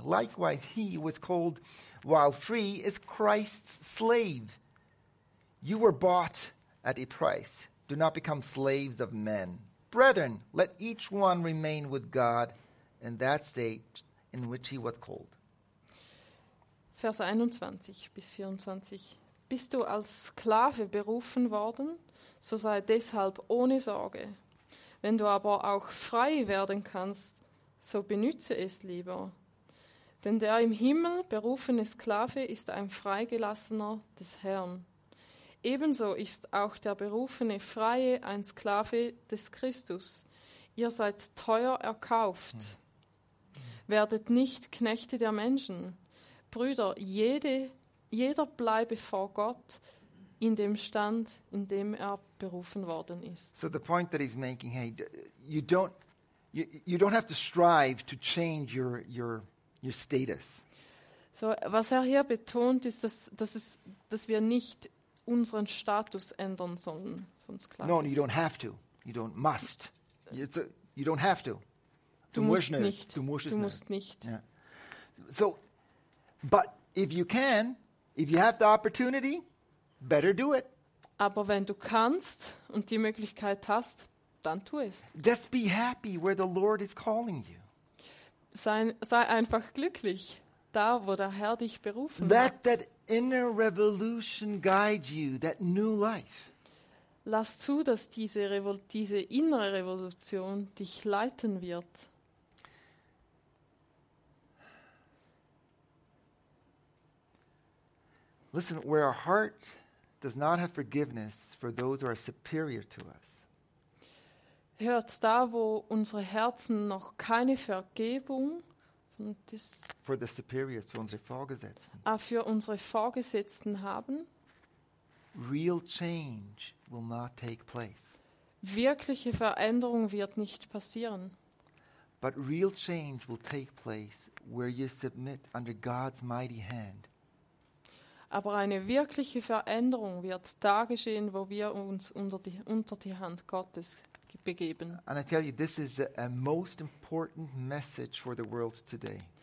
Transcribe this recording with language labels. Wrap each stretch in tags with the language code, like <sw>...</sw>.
<en>Likewise, he was called while free is Christ's slave. You were bought at a price. Do not become slaves of men. Brethren, let each one remain with God in that state in which he was called.</en> <de>Vers 21 bis 24. Bist du als Sklave berufen worden? So sei deshalb ohne Sorge. Wenn du aber auch frei werden kannst, so benütze es lieber. Denn der im Himmel berufene Sklave ist ein Freigelassener des Herrn. Ebenso ist auch der berufene Freie ein Sklave des Christus. Ihr seid teuer erkauft. Werdet nicht Knechte der Menschen. Brüder, jeder bleibe vor Gott in dem Stand, in dem er berufen worden ist.</de> <en>So the point that he's making, hey, you don't have to strive to change your status.</en> <de>So was er hier betont ist, dass wir nicht unseren Status ändern sollen von Sklaven.</de> <en>No, you don't have to. You don't must. You don't have to.</en> <de>Du musst nicht.</de> <en>Yeah. So, but if you can, if you have the opportunity, better do it.</en> <de>Aber wenn du kannst und die Möglichkeit hast, dann tu es.</de> <en>Just be happy where the Lord is calling you.</en> <de>Sei einfach glücklich, da wo der Herr dich berufen hat.</de> <en>Let that inner revolution guide you, that new life.</en> <de>Lass zu, dass diese innere Revolution dich leiten wird.</de> <en>Listen, where our heart does not have forgiveness for those who are superior to us.</en> <de>Hört da, wo unsere Herzen noch keine Vergebung</de> <en>for the superiors, for</en> <de>unsere Vorgesetzten. Für unsere Vorgesetzten haben.</de> <en>Real change will not take place.</en> <de>Wirkliche Veränderung wird nicht passieren.</de> <en>But real change will take place where you submit under God's mighty hand.</en> <de>Aber eine wirkliche Veränderung wird da geschehen, wo wir uns unter die Hand Gottes begeben.</de> <en>And I tell you, this is a most important message for the world today.</en>